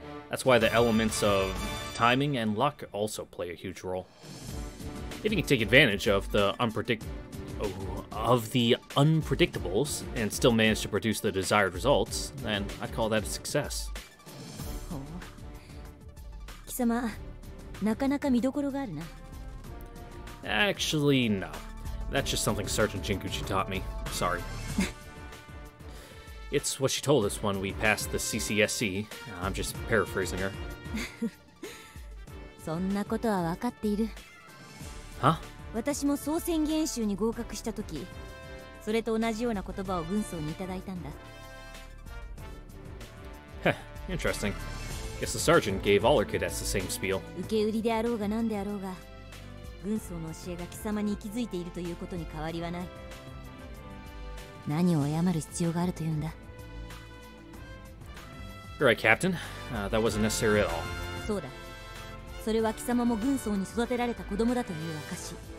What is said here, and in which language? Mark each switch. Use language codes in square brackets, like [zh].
[en] That's why the elements of timing and luck also play a huge role. If you can take advantage of the unpredictables and still manage to produce the desired results, then I'd call that a success. [ja] なかなか見どころがあるな。 [en] Actually, no. That's just something Sergeant Jinkuchi taught me. Sorry. It's what she told us when we passed the CCSC. I'm just paraphrasing her. [ja] そんなことは分かっている。 [en] Huh? [ja] 私も操船技演習に合格したとき、それと同じような言葉を軍曹にいただいたんだ。 [en] Heh, interesting. Guess the sergeant gave all her cadets the same spiel. [ja] 受け売りであろうが何であろうが、軍曹の教えが貴様に息づいているということに変わりはない。何を謝る必要があるというんだ。 [en] You're right, Captain. That wasn't necessary at all. [ja] そうだ。それは貴様も軍曹に育てられた子供だという証。